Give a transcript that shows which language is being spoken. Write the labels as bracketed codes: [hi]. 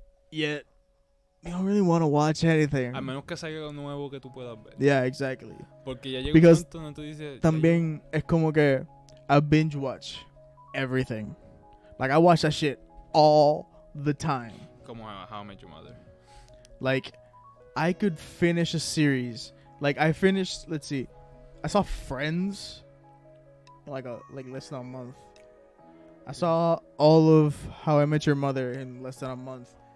[en] Yet, you don't really want to watch anything. [es] A menos que salga nuevo que tú puedas ver. [en] Yeah, exactly. [es] Porque ya llega [en] Because [es] un punto donde tú dices, también es como que [en] I binge watch everything. Like, I watch that shit all the time. [es] Como How I Met Your Mother. [en] Like, I could finish a series. Like, I finished, let's see. I saw Friends in like less than a month. I saw all of How I Met Your Mother in less than a month.